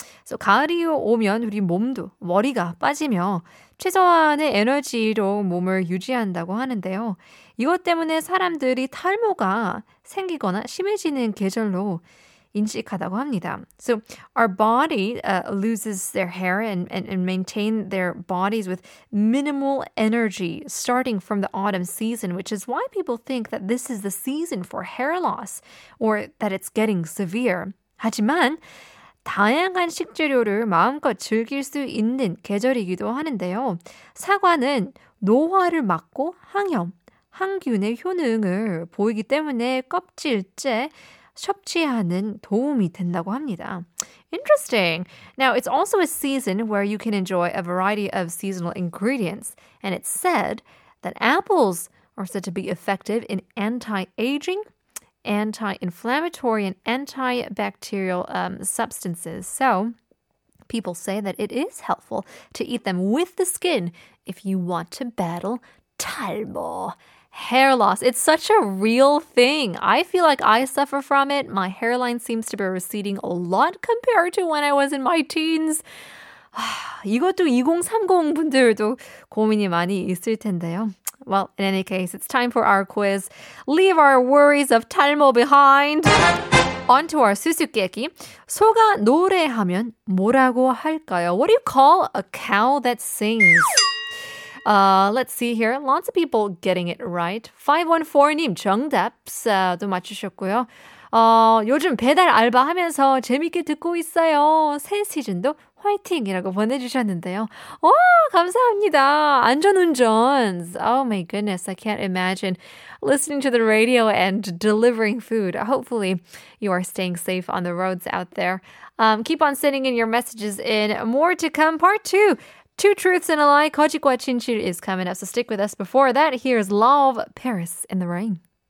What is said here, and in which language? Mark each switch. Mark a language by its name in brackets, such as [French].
[English] So [Korean] 가을이 오면 우리 몸도 머리가 빠지며 최소한의 에너지로 몸을 유지한다고 하는데요. 이것 때문에 사람들이 탈모가 생기거나 심해지는 계절로 인식하다고 합니다. [English] So our body loses their hair and maintain their bodies with minimal energy starting from the autumn season, which is why people think that this is the season for hair loss or that it's getting severe. [Korean] 하지만 다양한 식재료를 마음껏 즐길 수 있는 계절이기도 하는데요. 사과는 노화를 막고 항염, 항균의 효능을 보이기 때문에 껍질째 섭취하는 도움이 된다고 합니다. [English] Interesting. Now, it's also a season where you can enjoy a variety of seasonal ingredients. And it's said that apples are said to be effective in anti-aging, anti-inflammatory, and antibacterial substances. So people say that it is helpful to eat them with the skin if you want to battle 탈모. Hair loss, it's such a real thing. I feel like I suffer from it. My hairline seems to be receding a lot compared to when I was in my teens. [Korean] 이것도 2030 분들도 고민이 많이 있을 텐데요. [English] Well, in any case, it's time for our quiz. Leave our worries of 탈모 behind. On to our 수수께끼. [Korean] 소가 노래하면 뭐라고 할까요? [English] What do you call a cow that sings? Let's see here. Lots of people getting it right. 514님 [Korean] 정답도 맞추셨고요. 요즘 배달 알바 하면서 재밌게 듣고 있어요. 새 시즌도 화이팅이라고 보내주셨는데요. 와, 감사합니다. 안전운전. [English] Oh my goodness, I can't imagine listening to the radio and delivering food. Hopefully, you are staying safe on the roads out there. Keep on sending in your messages in. More to come, part two. Two Truths and a Lie, [Korean] 거짓과 진실 [English] is coming up, so stick with us. Before that, here's Love, Paris in the Rain.